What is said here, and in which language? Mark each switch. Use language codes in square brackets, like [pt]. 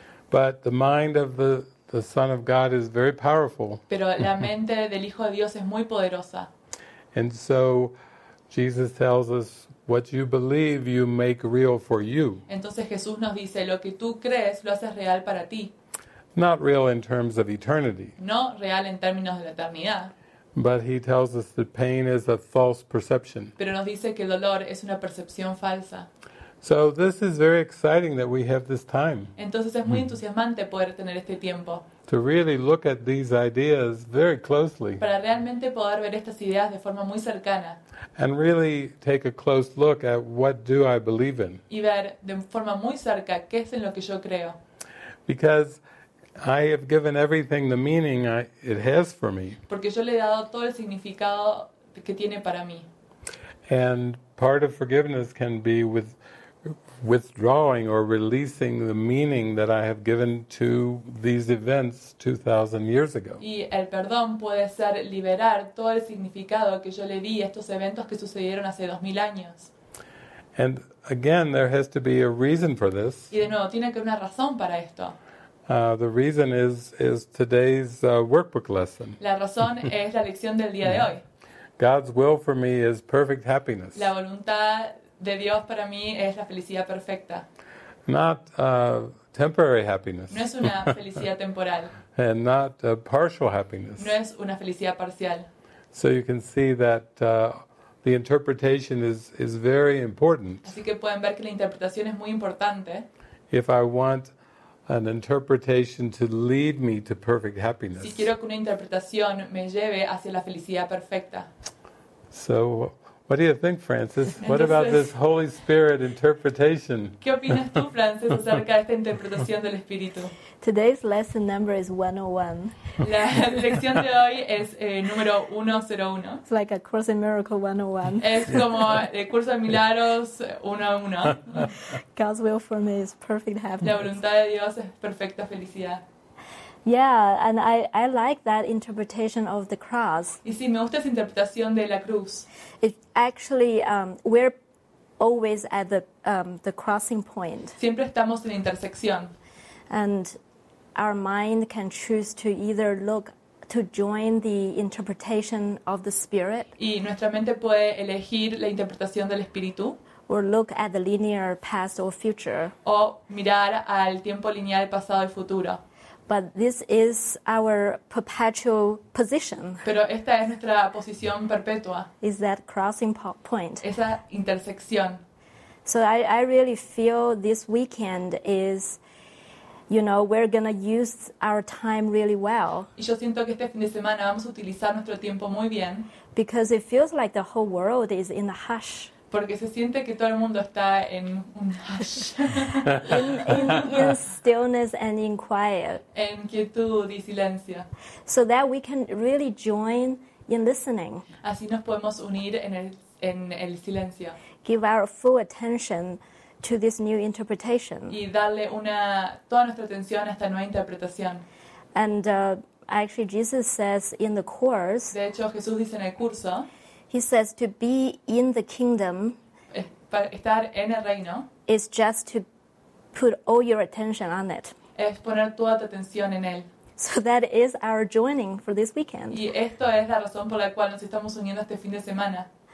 [en] But the mind of the Son of God is very powerful. [es] Pero la mente del Hijo de Dios es muy poderosa. [en] And so Jesus tells us, what you believe, you make real for you. [es] Entonces Jesús nos dice, lo que tú crees, lo haces real para ti. [en] Not real in terms of eternity. [es] No real en términos de la eternidad. [en] But he tells us that pain is a false perception. [es] Pero nos dice que el dolor es una percepción falsa. [en] So this is very exciting that we have this time. [es] Entonces es muy entusiasmante poder tener este tiempo. [en] To really look at these ideas very closely. [es] Para realmente poder ver estas ideas de forma muy cercana. [en] And really take a close look at what do I believe in. [es] Y ver de forma muy cerca qué es en lo que yo creo. [en] Because I have given everything the meaning it has for me. [es] Porque yo le he dado todo el significado que tiene para mí. [en] And part of forgiveness can be with withdrawing or releasing the meaning that I have given to these events 2,000 years ago. [es] Y el perdón puede ser liberar todo el significado que yo le di a estos eventos que sucedieron hace 2,000 años. [en] And again, there has to be a reason for this. [es] Y de nuevo, tiene que haber una razón para esto. [en] The reason is today's workbook lesson. [es] La razón es la lección del día de hoy. [en] God's will for me is perfect happiness. [es] La voluntad de Dios para mí es la felicidad perfecta. [en] Not temporary happiness. [es] No es una felicidad temporal. [en] And not a partial happiness. [es] No es una felicidad parcial. [en] So you can see that the interpretation is very important. [es] Así que pueden ver que la interpretación es muy importante. [en] If I want an interpretation to lead me to perfect happiness. [es] Si quiero que una interpretación me lleve hacia la felicidad perfecta. [en] So what do you think, Francis? What Entonces, about this Holy Spirit interpretation? [es] ¿Qué opinas tú, Francis, acerca de esta interpretación del Espíritu? [en] Today's lesson number is 101. [es] La lección de hoy es número 101. [en] It's like a Course in Miracles 101. [es] Es como el curso de milagros 101. [en] God's will for me is perfect happiness. [es] La voluntad de Dios es perfecta felicidad. [en] Yeah, and I like that interpretation of the cross. [es] Y sí, me gusta esa interpretación de la cruz. [en] It actually we're always at the crossing point. [es] Siempre estamos en la intersección. [en] And our mind can choose to either look to join the interpretation of the spirit. [es] Y nuestra mente puede elegir la interpretación del espíritu. [en] Or look at the linear past or future. [es] O mirar al tiempo lineal pasado y futuro. [en] But this is our perpetual position. [es] Pero esta es nuestra posición perpetua. [en] Is that crossing point. [es] Esa intersección. [en] So I really feel this weekend is, you know, we're going to use our time really well. [es] Y yo siento que este fin de semana vamos a utilizar nuestro tiempo muy bien. [en] Because it feels like the whole world is in a hush. [es] Porque se siente que todo el mundo está en un hush. [en] In stillness and in quiet. [es] En quietud y silencio. [en] So that we can really join in listening. [es] Así nos podemos unir en el silencio. [en] Give our full attention to this new interpretation. [es] Y darle toda nuestra atención a esta nueva interpretación. [en] And actually Jesus says in the course. [es] De hecho Jesús dice en el curso. [en] He says to be in the kingdom [es] estar en el reino [en] is just to put all your attention on it. [es] Es poner toda tu atención en él. [en] So that is our joining for this weekend. [es] Y esto es la razón por la cual nos estamos uniendo este fin de semana.